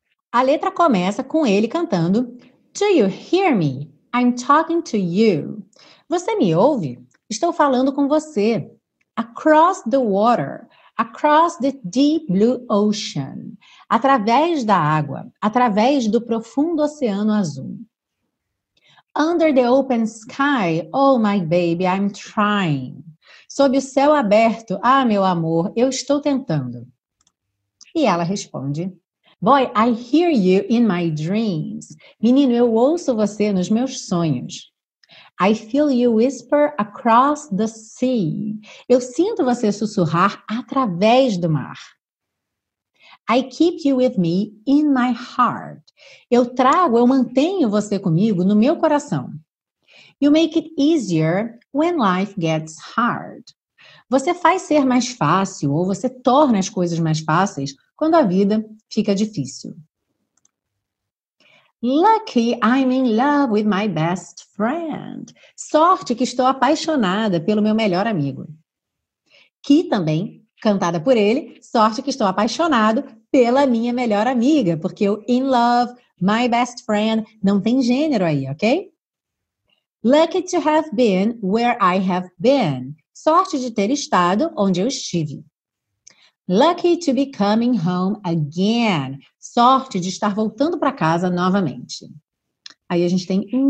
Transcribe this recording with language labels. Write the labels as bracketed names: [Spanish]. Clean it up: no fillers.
[Portuguese] A letra começa com ele cantando: [English] Do you hear me? I'm talking to you. [Portuguese] Você me ouve? Estou falando com você. [English] Across the water, across the deep blue ocean. [Portuguese] Através da água, através do profundo oceano azul. [English] Under the open sky, oh my baby, I'm trying. [Portuguese] Sob o céu aberto, ah meu amor, eu estou tentando. E ela responde: [English] Boy, I hear you in my dreams. [Portuguese] Menino, eu ouço você nos meus sonhos. [English] I feel you whisper across the sea. [Portuguese] Eu sinto você sussurrar através do mar. [English] I keep you with me in my heart. [Portuguese] Eu trago, eu mantenho você comigo no meu coração. [English] You make it easier when life gets hard. [Portuguese] Você faz ser mais fácil ou você torna as coisas mais fáceis quando a vida fica difícil. [English] Lucky, I'm in love with my best friend. [Portuguese] Sorte que estou apaixonada pelo meu melhor amigo. Que também, cantada por ele, sorte que estou apaixonado pela minha melhor amiga, porque o [English] in love, my best friend, [Portuguese] não tem gênero aí, ok? [English] Lucky to have been where I have been. [Portuguese] Sorte de ter estado onde eu estive. [English] Lucky to be coming home again. [Portuguese] Sorte de estar voltando para casa novamente. Aí a gente tem...